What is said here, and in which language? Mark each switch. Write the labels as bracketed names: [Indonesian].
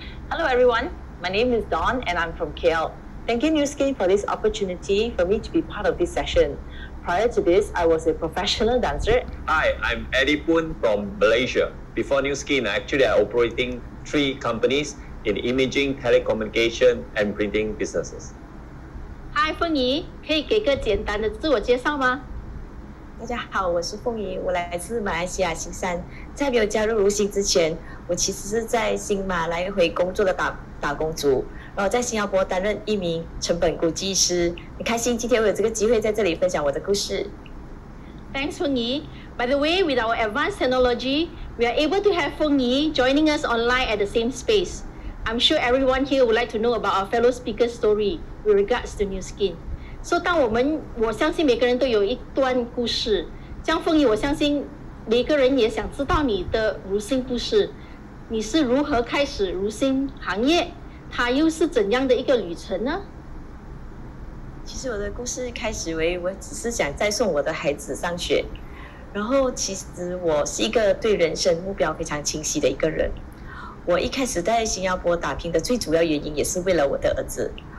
[English] Hello everyone, my name is Dawn and I'm from KL. Thank you NISKIN for this opportunity for me to be part of this session. Prior to this, I was a professional dancer. Hi, I'm Eddie Poon from Malaysia. Before NISKIN, actually I'm operating three companies in imaging, telecommunication and printing businesses. Hi, Fong Yi, [Chinese] 可以给个简单的自我介绍吗? 大家好,我是凤仪, 我来自马来西亚新山,在没有加入如新之前,我其实是在新马来回工作的打工族, 然后在新加坡担任一名成本估计师, 很开心今天我有这个机会在这里分享我的故事。 [English] Thanks, Fong Yi. By the way, with our advanced technology, we are able to have Fong Yi joining us online at the same space. I'm sure everyone here would like to know about our fellow speaker's story with regards to NISKIN. So, [Chinese] 当我们，我相信每个人都有一段故事。像凤仪，我相信每个人也想知道你的如新故事。你是如何开始如新行业？它又是怎样的一个旅程呢？其实我的故事开始为我只是想再送我的孩子上学，然后其实我是一个对人生目标非常清晰的一个人。我一开始在新加坡打拼的最主要原因也是为了我的儿子。